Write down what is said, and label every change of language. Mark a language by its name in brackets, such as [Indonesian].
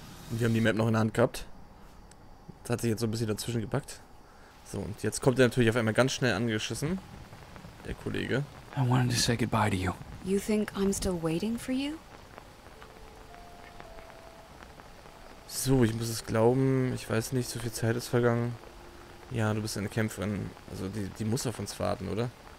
[German] Wir haben die Map noch in der Hand gehabt. Das hat sich jetzt so ein bisschen dazwischen gepackt. So, und jetzt kommt er natürlich auf einmal ganz schnell angeschissen. Der Kollege. [English] I wanted to say goodbye to you. You think I'm still waiting for you? [German] So, ich muss es glauben. Ich weiß nicht, so viel Zeit ist vergangen. Ja, du bist eine Kämpferin. Also, die muss auf uns warten, oder?